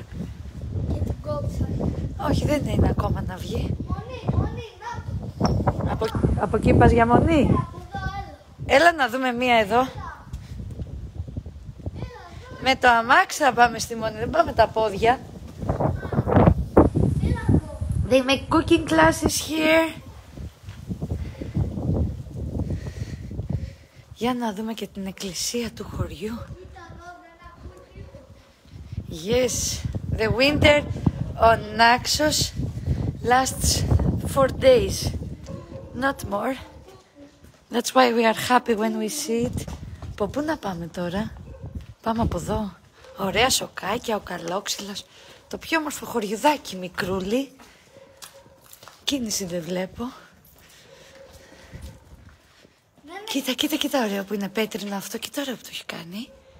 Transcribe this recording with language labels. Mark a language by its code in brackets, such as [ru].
[el] Και την κόψα. Όχι, δεν είναι ακόμα να βγει. Μονή, να το. Από εκεί πας για Μονή? Έλα να δούμε μία εδώ. Με το αμάξι θα πάμε στη Μονή, δεν πάμε τα πόδια. [en] They make cooking classes here. [el] Για να δούμε και την εκκλησία του χωριού. [en] Yes, the winter on Naxos. lasts 4 days, not more. That's why we are happy when we see it. [el] Από πού να πάμε τώρα? Πάμε από εδώ. Ωραία σοκάκια, ο καλόξυλος. Το πιο όμορφο χωριουδάκι, μικρούλι. Κίνηση δεν βλέπω. Δεν κοίτα, κοίτα, κοίτα, ωραίο που είναι πέτρινο αυτό. Κοίτα, ωραίο που το έχει κάνει.